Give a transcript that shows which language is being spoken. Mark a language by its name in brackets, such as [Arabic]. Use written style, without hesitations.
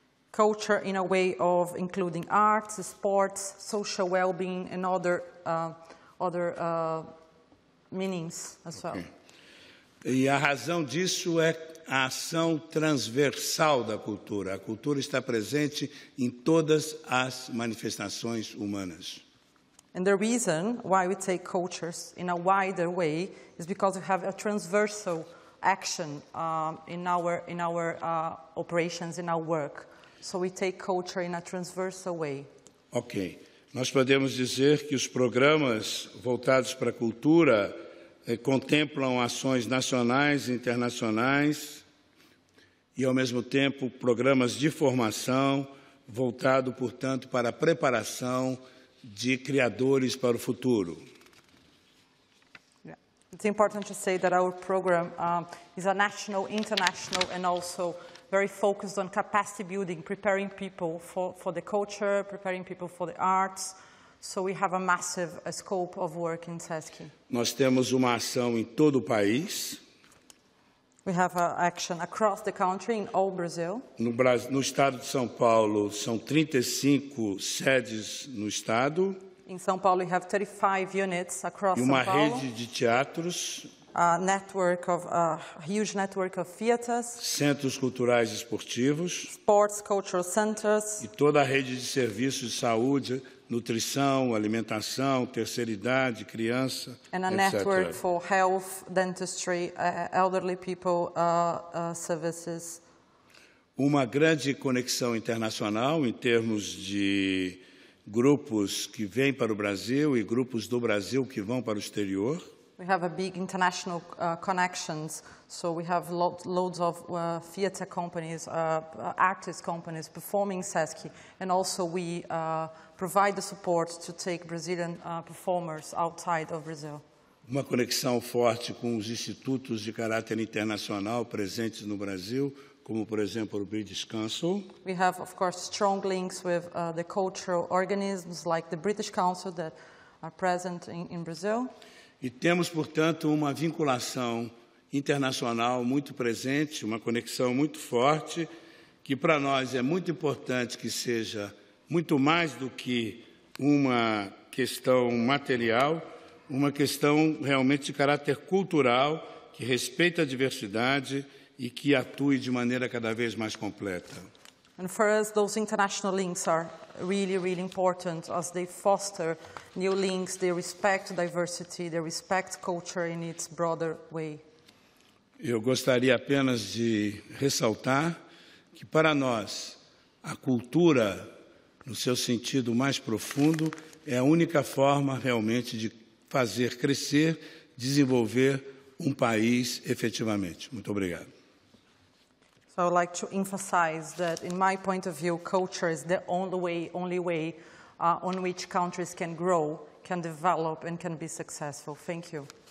[English] Culture in a way of including arts, sports, social well-being and other meanings as well. [Portuguese] E a razão disso é a ação transversal da cultura. A cultura está presente em todas as manifestações humanas. [English] And the reason why we take cultures in a wider way is because we have a transversal action in our operations, in our work. So we take culture in a transversal way. Okay. [Portuguese] Nós podemos dizer que os programas voltados para a cultura contemplam ações nacionais e internacionais e, ao mesmo tempo, programas de formação voltado, portanto, para a preparação de criadores para o futuro. [English] It's important to say that our program is a national, international, and also very focused on capacity building, preparing people for the culture, preparing people for the arts. So we have a massive scope of work in SESC. [Portuguese] Nós temos uma ação em todo o país. [English] We have an action across the country in all Brazil. [Portuguese] No estado de São Paulo, são 35 sedes no estado. [English] In São Paulo, we have 35 units across São [Portuguese] Paulo. E uma rede de teatros. [English] A network of huge network of theaters. [Portuguese] Centros culturais esportivos. [English] Sports cultural centers. [Portuguese] E toda a rede de serviços de saúde, nutrição, alimentação, terceira idade, criança, etc. [English] And a network for health, dentistry, elderly people services. [Portuguese] Uma grande conexão internacional em termos de grupos que vêm para o Brasil e grupos do Brasil que vão para o exterior. [English] We have a big international connections, so we have loads of theater companies, artist companies performing SESC, and also we provide the support to take Brazilian performers outside of Brazil. [Portuguese] Uma conexão forte com os institutos de caráter internacional presentes no Brasil, como, por exemplo, o British Council. [English] We have, of course, strong links with the cultural organisms like the British Council that are present in Brazil. [Portuguese] E temos, portanto, uma vinculação internacional muito presente, uma conexão muito forte, que para nós é muito importante que seja muito mais do que uma questão material, uma questão realmente de caráter cultural, que respeita a diversidade e que atue de maneira cada vez mais completa. [English] And for us, those international links are really, really important as they foster new links, they respect diversity, they respect culture in its broader way. [Portuguese] Eu gostaria apenas de ressaltar que para nós, a cultura, no seu sentido mais profundo, é a única forma realmente de fazer crescer, desenvolver um país efetivamente. Muito obrigado. [English] I would like to emphasize that, in my point of view, culture is the only way on which countries can grow, can develop, and can be successful. Thank you.